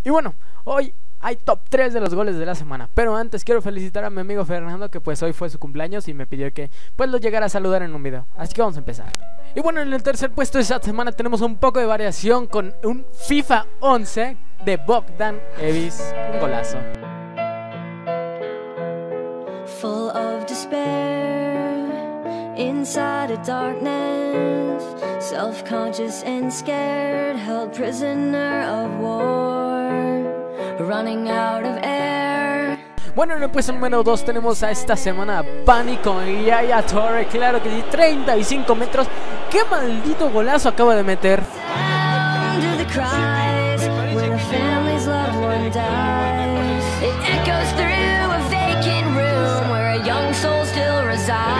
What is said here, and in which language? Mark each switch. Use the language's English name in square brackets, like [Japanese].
[Spanish] Y bueno, hoy hay top 3 de los goles de la semana. Pero antes quiero felicitar a mi amigo Fernando, que pues hoy fue su cumpleaños y me pidió que pues lo llegara a saludar en un video. Así que vamos a empezar. Y bueno, en el tercer puesto de esta semana tenemos un poco de variación con un FIFA 11 de Bogdan Evis. Un golazo. [English] Full of despair, inside a darkness, self-conscious and scared, held prisoner of war, running out of air. [Spanish] Bueno, en el puesto número 2 tenemos a esta semana Pánico y Yaya Torre, claro que sí, 35 metros. ¡Qué maldito golazo acaba de meter! [English] Sound of the cries, when a family's loved one dies, it echoes through a vacant room where a young soul still resides.